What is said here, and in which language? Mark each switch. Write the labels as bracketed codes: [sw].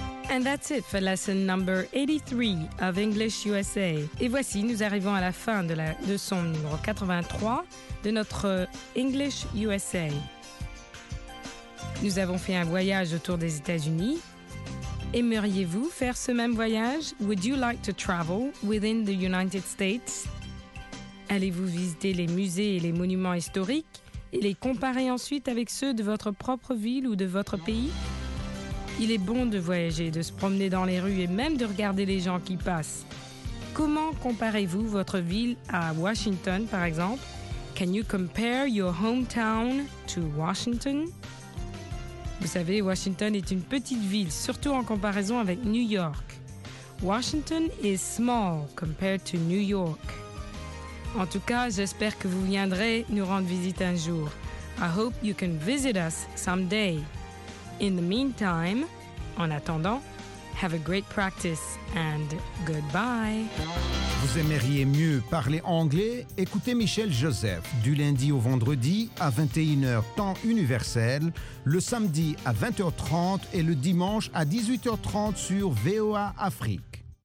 [en] And that's it for lesson number 83 of English USA. [fr] Et voici, nous arrivons à la fin de la leçon numéro 83 de notre English USA. Nous avons fait un voyage autour des États-Unis. Aimeriez-vous faire ce même voyage? [en] Would you like to travel within the United States? [fr] Allez-vous visiter les musées et les monuments historiques et les comparer ensuite avec ceux de votre propre ville ou de votre pays? Il est bon de voyager, de se promener dans les rues et même de regarder les gens qui passent. Comment comparez-vous votre ville à Washington, par exemple? [en] Can you compare your hometown to Washington? [fr] Vous savez, Washington est une petite ville, surtout en comparaison avec New York. [en] Washington is small compared to New York. [fr] En tout cas, j'espère que vous viendrez nous rendre visite un jour. [en] I hope you can visit us someday. In the meantime, [fr] en attendant, [en] have a great practice and goodbye. [fr] Vous aimeriez mieux parler anglais? Écoutez Michel Joseph du lundi au vendredi à 21h temps universel, le samedi à 20h30 et le dimanche à 18h30 sur VOA Afrique.